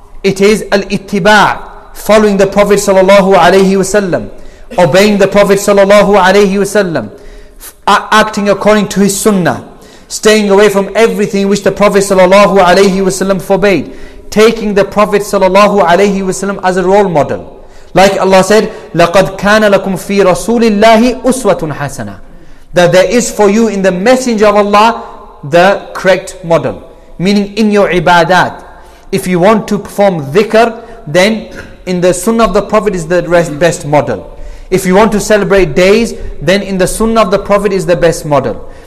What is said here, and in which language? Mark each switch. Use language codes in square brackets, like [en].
[en] It is al-ittiba', following the Prophet [ar] sallallahu alayhi wasallam, [en] obeying the Prophet sallallahu alayhi wasallam, acting according to his sunnah, staying away from everything which the Prophet sallallahu alayhi wasallam forbade, taking the Prophet sallallahu alayhi wasallam as a role model. Like Allah said, [ar] لَقَدْ كَانَ لَكُمْ فِي رَسُولِ اللَّهِ أُسْوَةٌ حَسَنَةٌ. [en] That there is for you in the Messenger of Allah the correct model. Meaning in your ibadat. If you want to perform dhikr, then in the sunnah of the Prophet is the best model. If you want to celebrate days, then in the sunnah of the Prophet is the best model.